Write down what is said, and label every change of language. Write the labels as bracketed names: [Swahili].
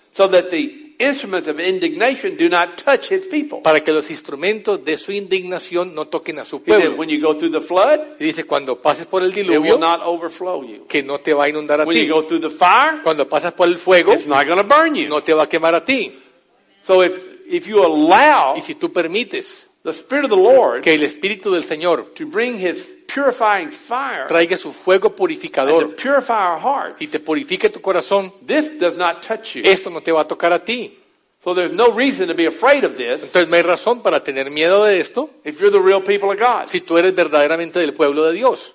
[English] So that the instruments of indignation do not touch his people. [Spanish] Para que los instrumentos de su indignación no toquen a su pueblo. [English] When you go through the flood, [Spanish] dice cuando pases por el diluvio, [English] it will not overflow you. [Spanish] Que no te va a inundar a [English] when [Spanish] ti. [English] When you go through the fire, [Spanish] cuando pasas por el fuego, [English] it's not going to burn you. [Spanish] No te va a quemar a ti. [English] So if you allow, [Spanish] y si tú permites, [English] the spirit of the Lord, [Spanish] que el espíritu del Señor, [English] to bring his purifying fire, [Spanish] traiga su fuego purificador, [English] and to purify our hearts, [Spanish] y te purifique tu corazón, [English] this does not touch you. [Spanish] Esto no te va a tocar a ti. [English] So there's no reason to be afraid of this. [Spanish] Entonces, ¿hay razón para tener miedo de esto? [English] If you're the real people of God. [Spanish] Si tú eres verdaderamente del pueblo de Dios.